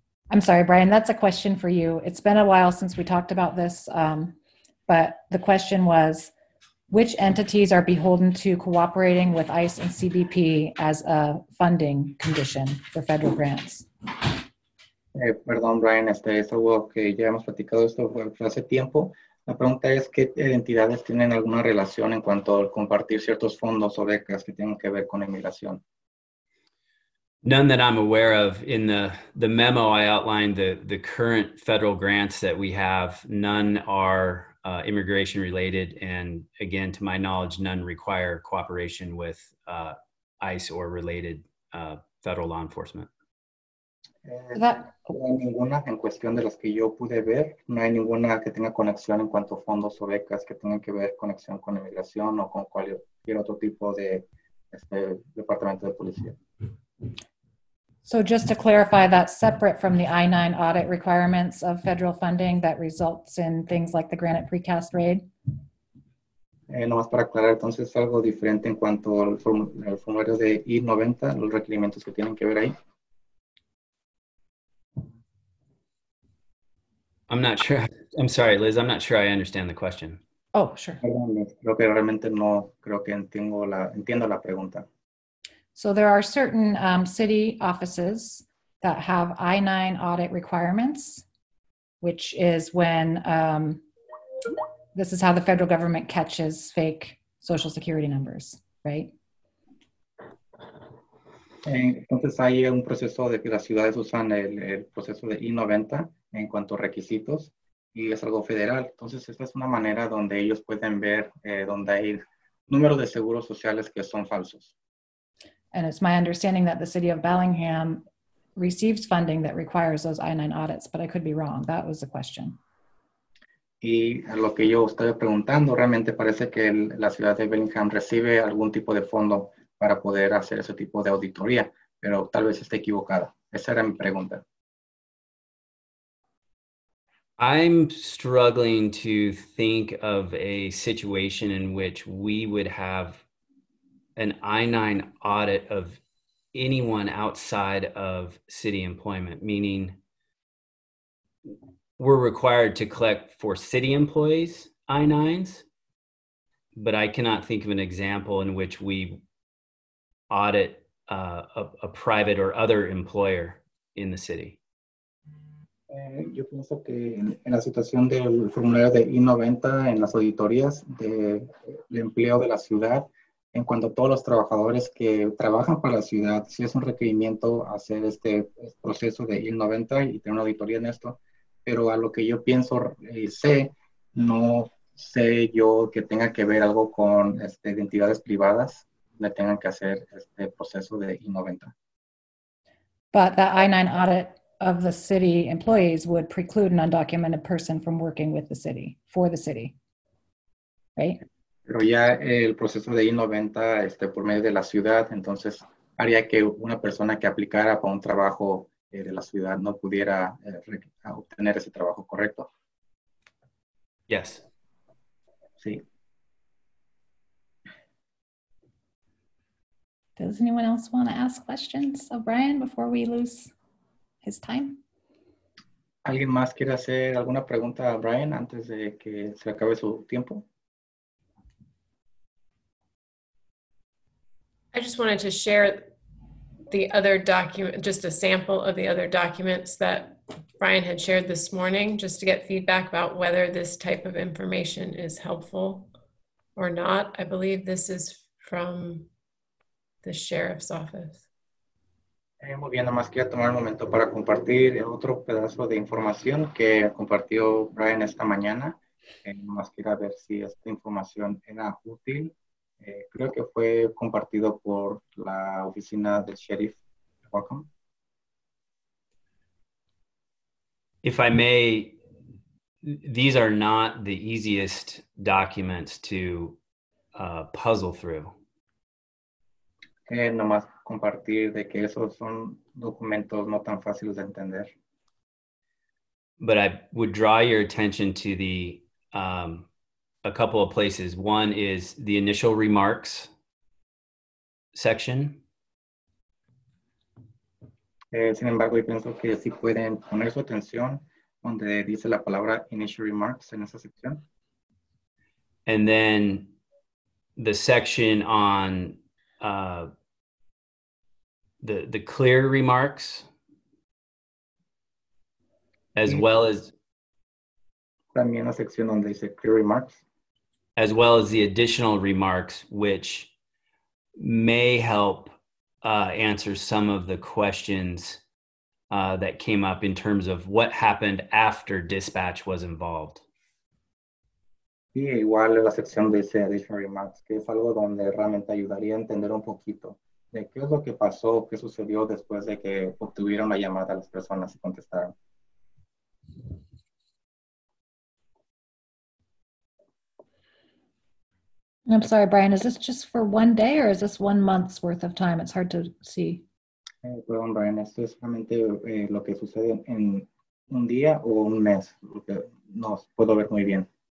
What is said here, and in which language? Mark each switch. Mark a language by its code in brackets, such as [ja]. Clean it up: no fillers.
[en] I'm sorry, Brian, that's a question for you. It's been a while since we talked about this, but the question was, which entities are beholden to cooperating with ICE and CBP as a funding condition for federal grants? [es] Perdón, Brian, es algo que ya hemos platicado esto hace tiempo. La pregunta es, ¿qué entidades tienen alguna relación en cuanto a compartir ciertos fondos o becas que tienen que ver con inmigración? [en] None that I'm aware of. In the memo, I outlined the current federal grants that we have. None are immigration related, and again, to my knowledge, none require cooperation with ICE or related federal law enforcement. [es] Ninguna en cuestión de las que yo pude ver, no hay ninguna que tenga conexión en cuanto a fondos o becas que tengan que ver conexión con inmigración o con cualquier otro tipo de departamento de policía. [en] So just to clarify, that's separate from the I-9 audit requirements of federal funding that results in things like the Granite Precast Raid? [es] Nomás para aclarar, entonces, algo diferente en cuanto al formulario de I-90, los requerimientos que tienen que ver ahí. [en] I'm not sure. I'm sorry, Liz. I'm not sure I understand the question. Oh, sure. [es] Creo que realmente no creo que entiendo la pregunta. [en] So there are certain city offices that have I-9 audit requirements, which is when this is how the federal government catches fake social security numbers, right? [es] Entonces hay un proceso de que las ciudades usan el proceso de I-90 en cuanto a requisitos y es algo federal. Entonces esta es una manera donde ellos pueden ver donde hay números de seguros sociales que son falsos. [en] And it's my understanding that the city of Bellingham receives funding that requires those I-9 audits, but I could be wrong. That was the question. [es] Y lo que yo estoy preguntando, realmente parece que la ciudad de Bellingham recibe algún tipo de fondo para poder hacer ese tipo de auditoría, pero tal vez esté equivocada. Esa era mi pregunta. [en] I'm struggling to think of a situation in which we would have an I-9 audit of anyone outside of city employment, meaning we're required to collect for city employees I-9s, but I cannot think of an example in which we audit a private or other employer in the city. [es] Yo pienso que en la situación del formulario de I-90 en las auditorías de empleo de la ciudad, en cuanto a todos los trabajadores que trabajan para la ciudad, sí es un requerimiento hacer este proceso de I-90 y tener una auditoría en esto, pero a lo que yo pienso y sé, no sé yo que tenga que ver algo con identidades privadas donde tengan que hacer este proceso de I-90. [en] But the I-9 audit of the city employees would preclude an undocumented person from working with the city, for the city, right? [es] Pero ya el proceso de I-90 por medio de la ciudad, entonces haría que una persona que aplicara para un trabajo de la ciudad no pudiera obtener ese trabajo correcto. [en] Yes. [es] Sí. [en] Does anyone else want to ask questions of Brian before we lose his time? [es] ¿Alguien más quiere hacer alguna pregunta a Brian antes de que se acabe su tiempo? [en] I just wanted to share the other document, just a sample of the other documents that Brian had shared this morning, just to get feedback about whether this type of information is helpful or not. I believe this is from the sheriff's office. [es] Muy bien, nomás quería tomar un momento para compartir otro pedazo de información que compartió Brian esta mañana. Nomás quería ver si esta información era útil. Creo que fue compartido por la oficina del sheriff. [en] Welcome. If I may, these are not the easiest documents to puzzle through. [es] Nomás compartir de que esos son documentos no tan fáciles de entender. [en] But I would draw your attention to the a couple of places. One is the initial remarks section. [es] Sin embargo, yo pienso que sí pueden poner su atención donde dice la palabra [en] initial remarks [es] en esa sección. [en] And then the section on the clear remarks as well as [es] también la sección donde dice [en] clear remarks. As well as the additional remarks, which may help answer some of the questions that came up in terms of what happened after dispatch was involved. [es] Sí, igual la sección dice [en] additional remarks, [es] que es algo donde realmente ayudaría a entender un poquito de qué es lo que pasó, qué sucedió después de que obtuvieron la llamada a las personas y contestaron. [en] I'm sorry, Brian, is this just for one day or is this 1 month's worth of time? It's hard to see. [es] Perdón, Brian, esto es realmente lo que sucede en un día o un mes. No puedo ver muy bien.